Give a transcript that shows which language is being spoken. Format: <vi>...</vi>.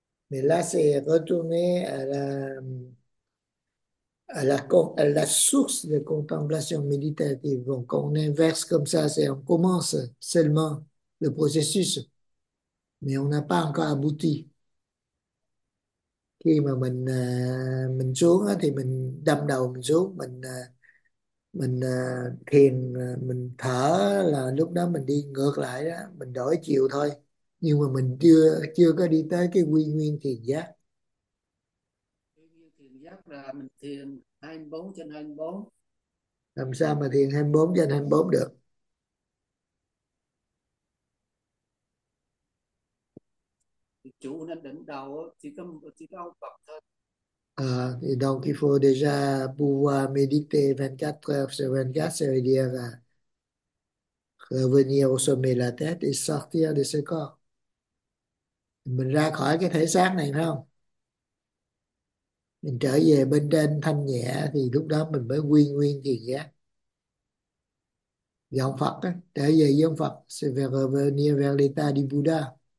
<fr>Mais là c'est retourner à la source de contemplation méditative. Donc on inverse comme ça, c'est on commence seulement le processus, mais on n'a pas encore abouti.</fr> <vi>Khi mà mình xuống thì mình đâm đầu mình xuống, mình thiền, mình thở, là lúc đó mình đi ngược lại đó, mình đổi chiều thôi, nhưng mà mình chưa chưa có đi tới cái quy nguyên thiền giác. Thiền giác là mình thiền 24 trên 24. Làm sao mà thiền 24 trên 24 được? Thì chủ nên đỉnh đầu chỉ có ông Phật thôi.</vi> <fr>À, thì donc il faut déjà pouvoir méditer 24 heures sur 24, c'est-à-dire revenir au sommet de la tête et sortir de ce corps.</fr> <vi>Mình ra khỏi cái thể xác này phải không? Mình trở về bên trên thanh nhẹ thì lúc đó mình mới quy nguyên thiền giác. Giọng Phật á, trở về với ông Phật,</vi> <fr>c'est revenir vers l'état du Buddha.</fr>